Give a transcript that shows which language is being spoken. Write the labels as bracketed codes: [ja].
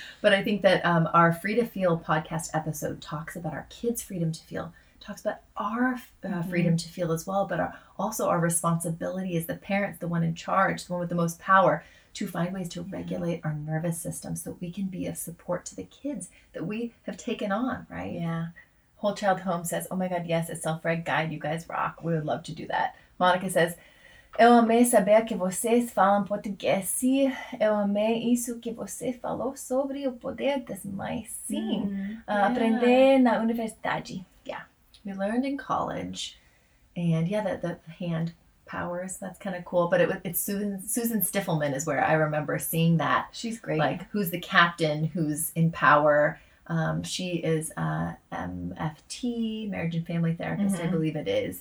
[en] But I think that our Free to Feel podcast episode talks about our kids' freedom to feel, talks about our mm-hmm. freedom to feel as well, but also our responsibility as the parent, the one in charge, the one with the most power, to find ways to regulate our nervous system so we can be of support to the kids that we have taken on, right? Yeah. Whole Child Home says, oh my God, yes, a self-reg guide. You guys rock. We would love to do that. Monica says, [pt] eu amei saber que vocês falam português. Eu amei isso que você falou sobre o poder das mães. Sim. Aprender na universidade. [en] Yeah. We learned in college. And yeah, the hand powers. That's kind of cool. But it's Susan Stifelman is where I remember seeing that. She's great. Like, who's the captain? Who's in power? She is a MFT, marriage and family therapist, mm-hmm. I believe it is.